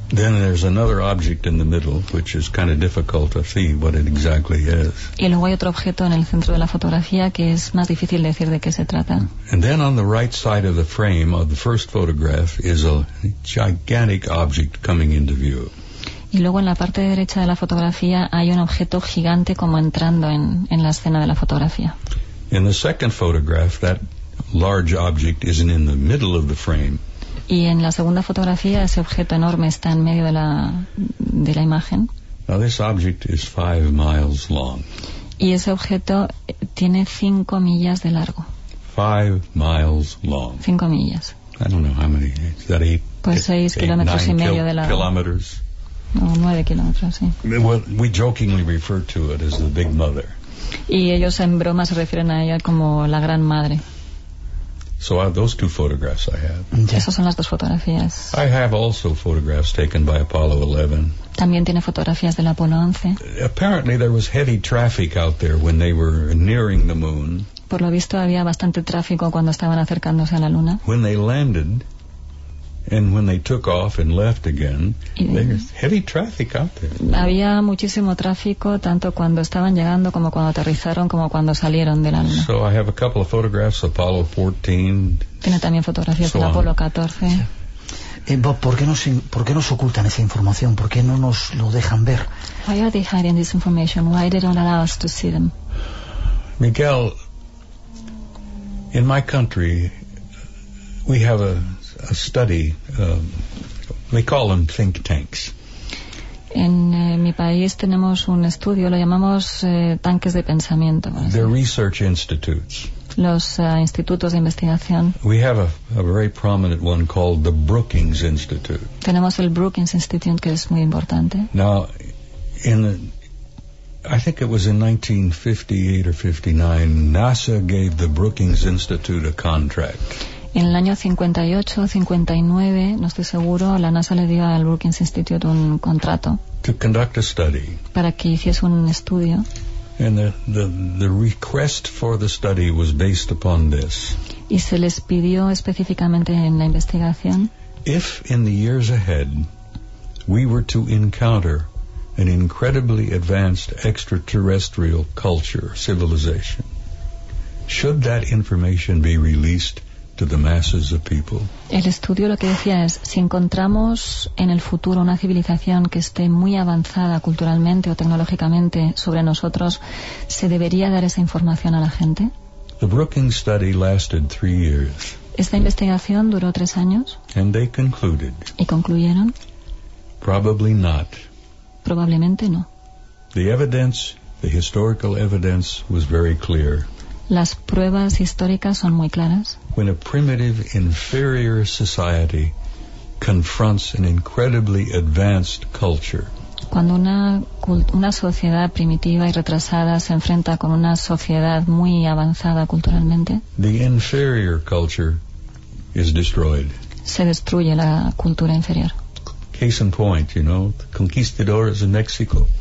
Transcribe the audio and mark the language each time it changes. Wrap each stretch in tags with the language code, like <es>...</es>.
<en>Then there's another object in the middle, which is kind of difficult to see what it exactly is.</en> <es>Y luego hay otro objeto en el centro de la fotografía que es más difícil decir de qué se trata.</es> <en>And then on the right side of the frame of the first photograph is a gigantic object coming into view.</en> <es>Y luego en la parte derecha de la fotografía hay un objeto gigante como entrando en la escena de la fotografía.</es> <en>In the second photograph, that large object isn't in the middle of the frame.</en> <es>Y en la segunda fotografía ese objeto enorme está en medio de la imagen.</es> <en>Now this object is 5 miles long.</en> <es>Y ese objeto tiene 5 millas de largo.</es> <en>5 miles long.</en> <es>5 millas.</es> <en>I don't know how many. Is that 8?</en> <es>Pues 6 kilómetros y medio de largo.</es> <en>Kilometers.</en> <es>No, 9 kilómetros, sí.</es> <en>Well, we jokingly refer to it as the Big Mother.</en> <es>Y ellos en broma se refieren a ella como la gran madre.</es> <en>So those two photographs I have.</en> <es>Yeah. Esas son las dos fotografías.</es> <en>I have also photographs taken by Apollo 11.</en> <es>También tiene fotografías del Apolo 11.</es> <en>Apparently there was heavy traffic out there when they were nearing the moon.</en> <es>Por lo visto había bastante tráfico cuando estaban acercándose a la luna.</es> <en>When they landed and when they took off and left again, there's heavy traffic out there.</en> <es>Había muchísimo tráfico tanto cuando estaban llegando como cuando aterrizaron como cuando salieron de la luna.</es> <en>So I have a couple of photographs of Apollo 14.</en> <es>Tiene también fotografías del Apolo 14. Bob, ¿por qué nos ocultan esa información? ¿Por qué no nos lo dejan ver?</es> <en>Why are they hiding this information? Why they don't allow us to see them? Miguel, in my country, we have a study. They call them think tanks.</en> <es>En mi país tenemos un estudio. Lo llamamos tanques de pensamiento.</es> <en>They're research institutes.</en> <es>Los institutos de investigación.</es> <en>We have a very prominent one called the Brookings Institute.</en> <es>Tenemos el Brookings Institute, que es muy importante.</es> <en>Now, I think it was in 1958 or 59, NASA gave the Brookings Institute a contract.</en> <es>En el año 58 o 59, no estoy seguro, la NASA le dio al Brookings Institute un contrato.</es> <en>To conduct a study.</en> <es>Para que hiciese un estudio.</es> <en>And the request for the study was based upon this.</en> <es>Y se les pidió específicamente en la investigación.</es> <en>If in the years ahead we were to encounter an incredibly advanced extraterrestrial culture, civilization, should that information be released to the masses of people?</en> <es>El estudio lo que decía es, si encontramos en el futuro una civilización que esté muy avanzada culturalmente o tecnológicamente sobre nosotros, ¿se debería dar esa información a la gente?</es> <en>The Brookings study lasted 3 years.</en> <es>Esta investigación duró 3 años.</es> <en>And they concluded.</en> <es>¿Y concluyeron?</es> <en>Probably not.</en> <es>Probablemente no.</es> <en>The evidence, the historical evidence, was very clear.</en> <es>Las pruebas históricas son muy claras.</es> <en>When a primitive, inferior society confronts an incredibly advanced culture.</en> <es>Cuando una sociedad primitiva y retrasada se enfrenta con una sociedad muy avanzada culturalmente.</es> <en>The inferior culture is destroyed.</en> <es>Se destruye la cultura inferior.</es> <en>Case in point, you know, the conquistadors in Mexico.</en>